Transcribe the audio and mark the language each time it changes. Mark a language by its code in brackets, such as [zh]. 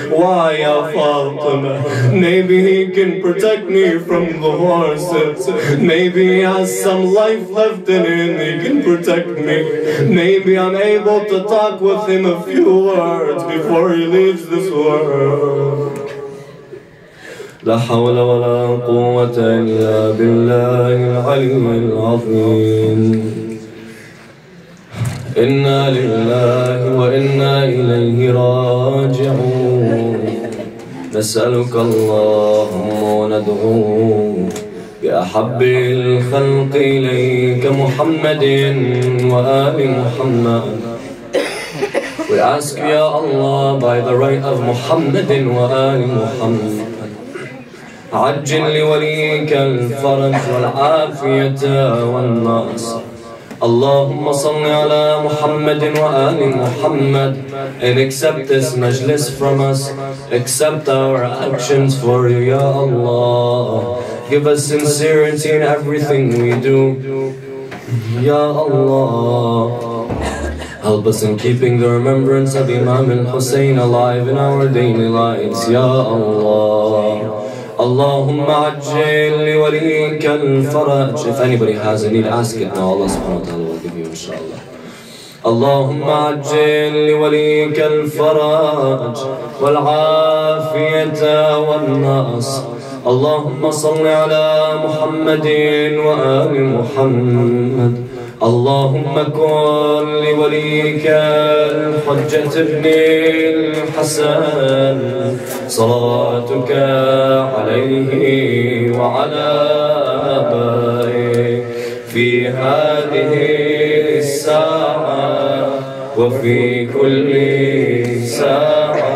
[en] Why, ya Fatima? Maybe he can protect me from the horses. Maybe he has some life left in him, he can protect me. Maybe I'm able to talk with him a few words before he leaves this world. [ar] لا حول ولا قوة إلا بالله العلي العظيم. إنا لله وإنا إليه راجعون. نسألك اللهم وندعوك بأحب الخلق إليك محمد وآل محمد. [en] We ask Ya Allah, by the right of Muhammad wa Ali Muhammad, [ar] عجل لوليك الفرج والعافية والناس. Allahumma salli ala Muhammad wa Ali Muhammad, [en] and accept this majlis from us, accept our actions for you, Ya Allah. Give us sincerity in everything we do, Ya Allah. Help us in keeping the remembrance of Imam al-Hussein alive in our daily lives, Ya Allah. [ar] Allahumma ajjil li waliyika al-faraj. [en] If anybody has a need, ask it now. Allah subhanahu wa ta'ala will give you, inshaAllah. [ar] اللهم عجل لوليك الفرج والعافية والنصر. اللهم صل على محمد وآل محمد. اللهم كن لوليك الحجة ابن الحسن صلاتك عليه وعلى آبائه في هذه الساعة وفي كل ساعة